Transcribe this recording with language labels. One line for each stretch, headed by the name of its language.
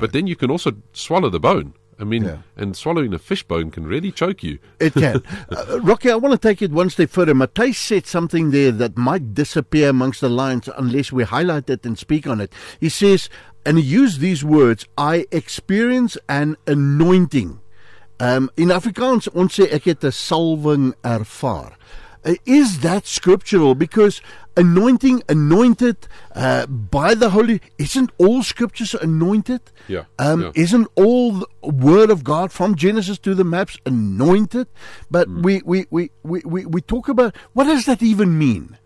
English: But then you can also swallow the bone. I mean, and swallowing a fishbone can really choke you. It can. Rocky, I want to take it one step further. Matthias said something there that might disappear amongst the lines unless we highlight it and speak on it. He says, and he used these words, "I experience an anointing." In Afrikaans,
Afrikaans: ons sê ek het 'n salwing ervaar.
English: Is that scriptural? Because anointing, anointed by the Holy, isn't all scriptures anointed? Isn't all the word of God from Genesis to the maps anointed? But we talk about, what does that even mean?